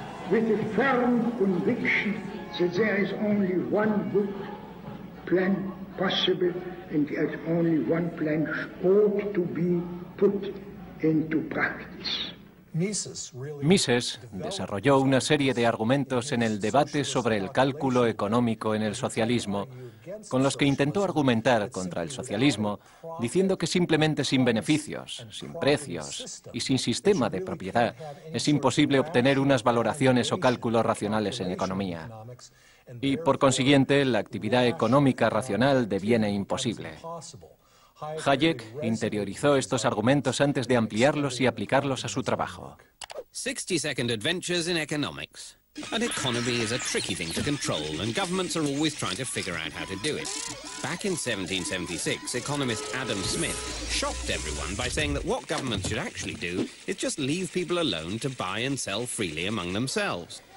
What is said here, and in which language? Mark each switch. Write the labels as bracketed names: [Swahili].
[English] With a firm conviction that there is only one good plan possible and that only one plan ought to be put into practice. [Spanish] Mises desarrolló una serie de argumentos en el debate sobre el cálculo económico en el socialismo, con los que intentó argumentar contra el socialismo, diciendo que simplemente sin beneficios, sin precios y sin sistema de propiedad es imposible obtener unas valoraciones o cálculos racionales en economía. Y, por consiguiente, la actividad económica racional deviene imposible. Hayek interiorizó estos argumentos antes de ampliarlos y aplicarlos a su trabajo. [English] 60 Second Adventures in Economics. An economy is a tricky thing to control, and governments are always trying to figure out how to do it. Back in 1776, economist Adam Smith shocked everyone by saying that what governments should actually do is just leave people alone to buy and sell freely among themselves.